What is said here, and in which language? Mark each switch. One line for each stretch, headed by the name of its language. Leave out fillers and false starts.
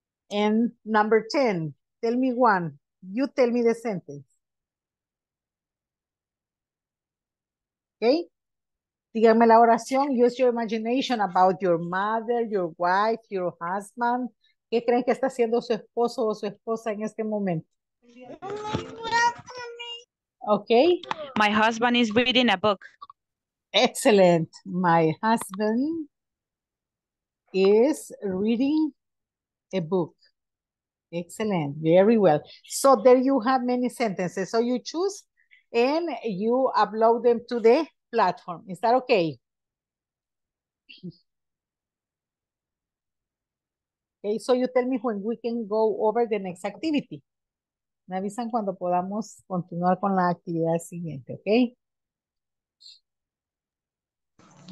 English: And number 10, tell me one. You tell me the sentence.
Spanish: Okay? Dígame la oración.
English: Use your imagination about your mother, your wife, your husband.
Spanish: ¿Qué creen que está haciendo su esposo o su esposa en este momento?
English: Okay. My husband is reading a book. Excellent. My husband is reading a book. Excellent. Very well. So there you have many sentences. So you choose and you upload them to the platform. Is that okay? Okay. So you tell me when we can go over the next activity.
Spanish: Me avisan cuando podamos continuar con la actividad siguiente, ¿ok?